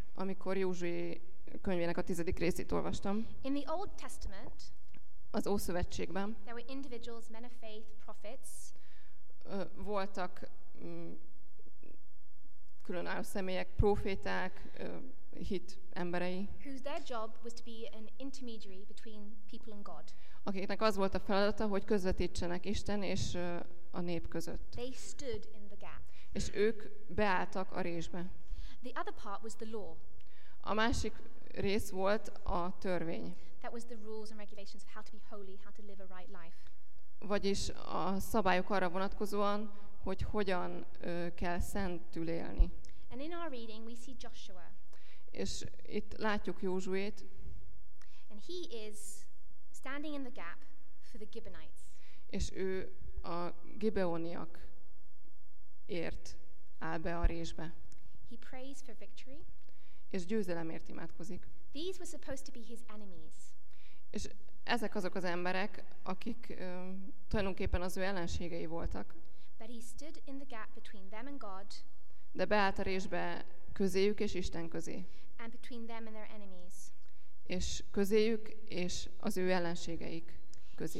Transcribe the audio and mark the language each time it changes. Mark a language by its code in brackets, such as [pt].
[hu] Amikor Józsué könyvének a 10. részét olvastam. [en] In the Old Testament, [hu] az Ószövetségben [en] there were individuals, men of faith, prophets, [hu] voltak különálló személyek, proféták, hit emberei, [en] whose their job was to be an intermediary between people and God. [hu] Akiknek az volt a feladata, hogy közvetítsenek Isten és a nép között. [en] They stood in the gap. [hu] És ők beálltak a résbe. [en] The other part was the law. [hu] A másik rész volt a törvény. [en] That was the rules and regulations of how to be holy, how to live a right life. [hu] Vagyis a szabályok arra vonatkozóan, hogy hogyan kell szentül élni. [en] And in our reading we see Joshua. [hu] És itt látjuk Józsuét. [en] And he is standing in the gap for the Gibeonites. [hu] És ő a Gibeoniak ért áll be a résbe. [en] He prays for victory. [hu] És győzelemért imádkozik. [en] These were supposed to be his enemies. [hu] És ezek azok az emberek, akik tulajdonképpen az ő ellenségei voltak. [en] But he stood in the gap between them and God. [hu] De beállt a résbe közéjük és Isten közé. [en] And between them and their enemies. [hu] És közéjük és az ő ellenségeik közé.